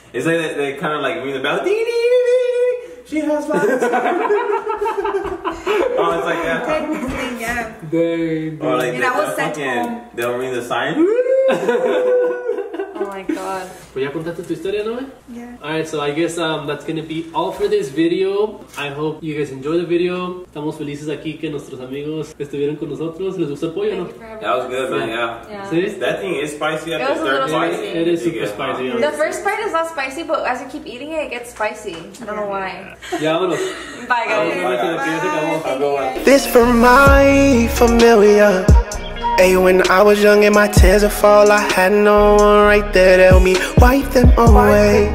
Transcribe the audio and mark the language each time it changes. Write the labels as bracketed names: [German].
[English] It's like they kind of like ring the bell. Dee, dee, dee, dee. She has lots of. Oh, it's like, yeah. Technically, yeah. Dang. Or like, and I was sent home. They'll ring the sign. Oh my [Spanish] god. Ya contaste tu historia, ¿no? [English] Yeah. Alright, so I guess that's gonna be all for this video. I hope you guys enjoy the video. [Spanish] Estamos felices aquí que nuestros amigos estuvieron con nosotros. ¿Les gustó el pollo, no? [English] That was good, man. Yeah. See? That thing is spicy at the third bite. It was a little spicy. It is super spicy. Yeah. The first bite is not spicy, but as you keep eating it, it gets spicy. I don't know why. Yeah, [Spanish] vámonos. [English] Bye, guys. Bye, guys. This for my familia. Ay, when I was young and my tears would fall, I had no one right there to help me wipe them away.